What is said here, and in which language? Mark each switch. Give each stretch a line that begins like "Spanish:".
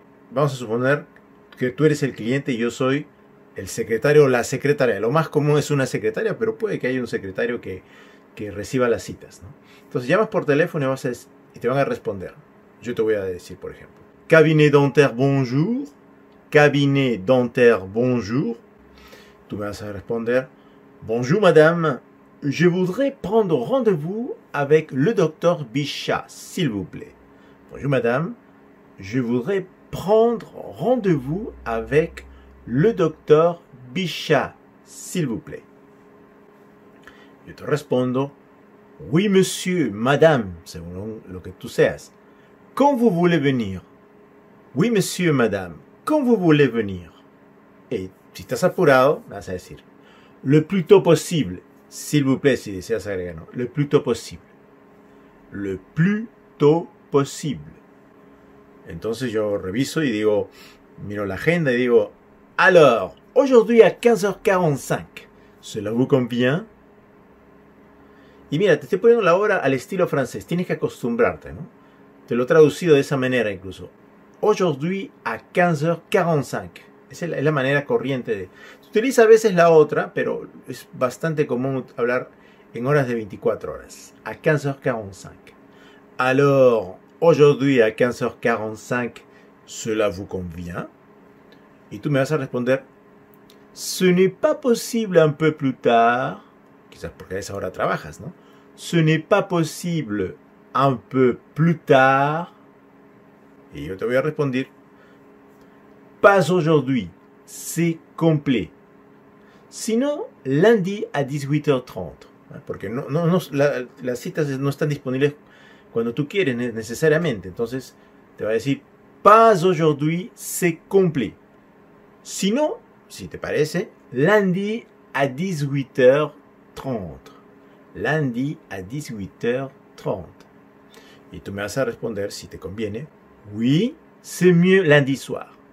Spanish: Vamos a suponer que tú eres el cliente y yo soy el secretario o la secretaria. Lo más común es una secretaria, pero puede que haya un secretario que reciba las citas, ¿no? Entonces llamas por teléfono y, te van a responder. Yo te voy a decir, por ejemplo,
French: cabinet dentaire bonjour, cabinet dentaire bonjour.
Spanish: Tú me vas a responder,
French: bonjour madame, je voudrais prendre rendez-vous avec le docteur Bichat, s'il vous plaît. Bonjour madame, je voudrais prendre rendez-vous avec le docteur Bichat, s'il vous plaît.
Spanish: Yo te respondo,
French: oui monsieur, madame,
Spanish: según lo que tú seas.
French: Quand vous voulez venir? Oui monsieur, madame, quand vous voulez venir? Et
Spanish: si estás apurado, vas a decir,
French: le plus tôt possible, s'il vous plaît,
Spanish: si deseas agregar, no,
French: le plus tôt possible.
Spanish: Le plus tôt possible. Entonces yo reviso y digo, miro la agenda y digo,
French: alors, aujourd'hui à 15h45, cela vous convient?
Spanish: Y mira, te estoy poniendo la hora al estilo francés, tienes que acostumbrarte, ¿no? Te lo he traducido de esa manera incluso.
French: Aujourd'hui à 15h45.
Spanish: Es la manera corriente de... Se utiliza a veces la otra, pero es bastante común hablar en horas de 24 horas.
French: À 15h45. Alors, aujourd'hui à 15h45, cela vous convient?
Spanish: Y tú me vas a responder,
French: ce n'est pas possible un peu plus tard.
Spanish: Quizás porque a esa hora trabajas, ¿no?
French: Ce n'est pas possible un peu plus tard.
Spanish: Y yo te voy a responder,
French: pas aujourd'hui, c'est complet. Sino lundi à 18h30.
Spanish: Porque las citas no están disponibles cuando tú quieres necesariamente. Entonces te va a decir,
French: pas aujourd'hui, c'est complet.
Spanish: Sino, si te parece,
French: lundi à 18h30. Lundi à 18h30.
Spanish: Y tú me vas a responder, si te conviene,
French: oui, c'est mieux lundi soir.